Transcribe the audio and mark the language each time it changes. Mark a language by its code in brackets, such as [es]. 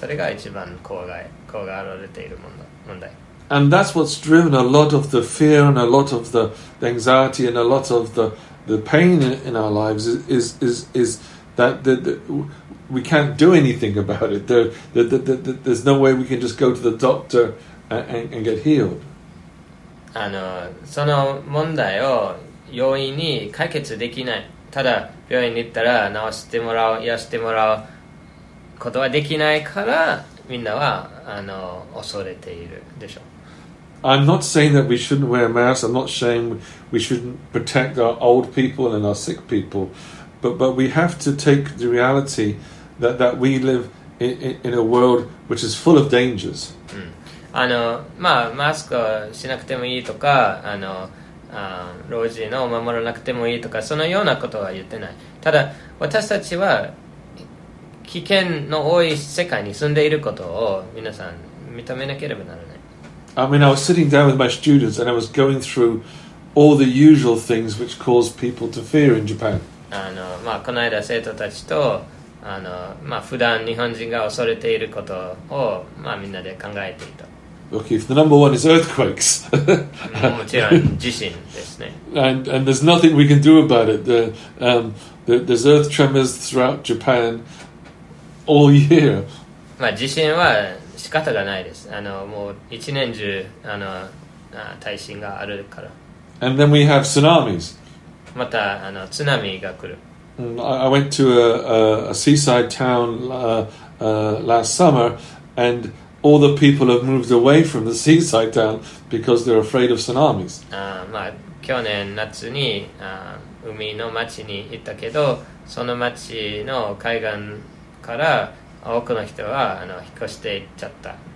[ja] それが一番怖がられている問題。 [en] And that's what's driven a lot of the fear and a lot of the anxiety and a lot of the pain in our lives is that we can't do anything about it. There's no way we can just go to the doctor and get healed. [ja] あの、その問題を容易に解決できない。ただ病院に行ったら治してもらう、癒してもらうことはできないから、みんなはあの恐れているでしょう。 [en] I'm not saying that we shouldn't wear masks. I'm not saying we shouldn't protect our old people and our sick people. But we have to take the reality that we live in a world which is full of dangers. [ja] あの、まあ、マスクしなくてもいいとか、あの、老人を守らなくてもいいとか、そのようなことは言ってない。ただ、私たちは危険の多い世界に住んでいることを皆さん認めなければならない。 [en] I mean, I was sitting down with my students and I was going through all the usual things which cause people to fear in Japan. [ja] この間生徒たちと普段日本人が恐れていることをみんなで考えていた。 [en] Okay, the number one is earthquakes. [ja] もちろん地震ですね。 [en] And there's nothing we can do about it. There's earth tremors throughout Japan all year. [ja] 地震は仕方がないです。あのもう一年中あの耐震があるから。 [en] And then we have tsunamis. [ja] またあの津波が来る。 [en] I went to a seaside town last summer, and all the people have moved away from the seaside town because they're afraid of tsunamis. [ja] 去年夏に海の町に行ったけど、その町の海岸から多くの人は引っ越していっちゃった。